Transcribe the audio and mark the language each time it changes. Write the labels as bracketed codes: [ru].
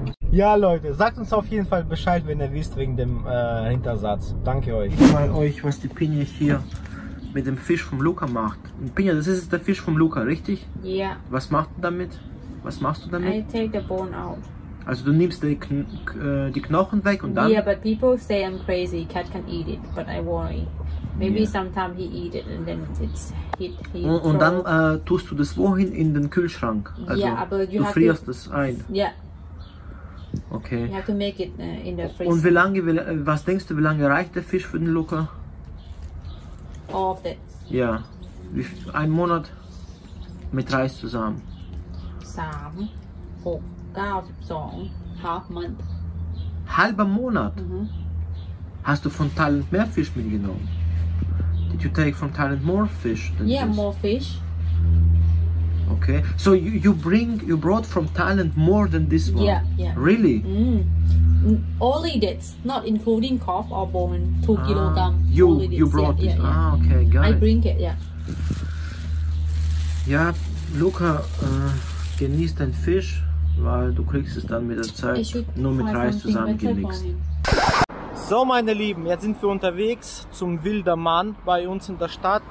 [de] Ja, Leute, sagt uns auf jeden Fall Bescheid, wenn ihr wisst, wegen dem Hintersatz. Danke euch. Ich zeige euch, was die Pinja hier mit dem Fisch vom Luca macht. Pinja, das ist der Fisch vom Luca, richtig? Ja. Yeah. Was macht du damit? Was machst du damit? [en] I take the bone out. [de] Also du nimmst die Knochen weg und dann? [en] Yeah, but people say I'm crazy. Cat can eat it, but I worry. Maybe sometime he eat it and then it's hit. [de] Und dann tust du das wohin? In den Kühlschrank? [en] Also, yeah, but [de] du frierst das ein? Ja. Yeah. Okay. [en] You have to make it in the freezer. [de] Und was denkst du, wie lange reicht der Fisch für den Luca? [en] All of that. [de] Ja. Ein Monat mit Reis zusammen. [en] Samen, half month. [de] Halber Monat? Mhm. Hast du von Thailand mehr Fisch mitgenommen? [en] Did you take from Thailand more fish than this? Yeah, more fish. Okay, so you brought from Thailand more than this one? Yeah. Really? Mm. Only that, not including calf or bone, 2 kilograms. You brought this? Yeah, yeah. Ah, okay, got it. I bring it, yeah. [de] Ja, Luca, genieß dein Fisch, weil du kriegst es dann mit der Zeit nur mit Reis zusammengemixt. So, meine Lieben, jetzt sind wir unterwegs zum Wilder Mann bei uns in der Stadt.